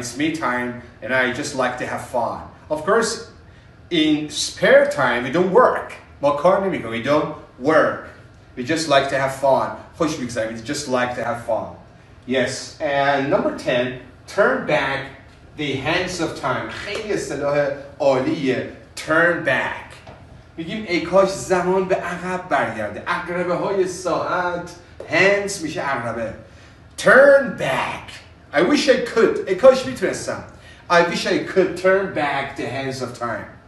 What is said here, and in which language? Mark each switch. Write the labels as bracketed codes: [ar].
[en] It's me time, and I just like to have fun. Of course, in spare time we don't work. [fa] ما کار نمی‌کنیم. [en] We don't work. We just like to have fun. [fa] خوش می‌گذرونیم. [en] We just like to have fun. Yes. And number 10, turn back the hands of time. [fa] خیلی اصطلاح عالیه. [en] Turn back. [fa] میگیم ای کاش زمان به عقب برگرده. عقربه های ساعت hands میشه عقربه. [en] Turn back. I wish I could. [fa] ای کاش میتونستم. [en] I wish I could turn back the hands of time.